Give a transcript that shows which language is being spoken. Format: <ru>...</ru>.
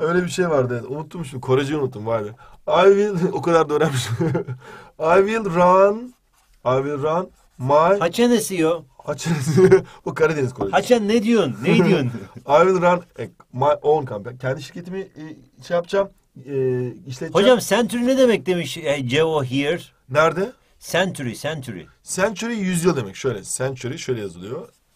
<tr>Öyle bir şey vardı. Unuttum şimdi. Koreciyi unuttum. Vay be. O kadar da öğrenmiş.</tr> <en>I will run my...</en> <tr>Haça ne diyor? Haça bu Karadeniz konuşuyor. Haça ne diyorsun? Ne diyorsun?</tr> <en>I will run my own company.</en> <tr>Kendi şirketimi şey yapacağım, işleteceğim. Hocam century ne demek demiş Joe here? Nerede? Century. Century yüzyıl demek. Şöyle century şöyle yazılıyor.</tr>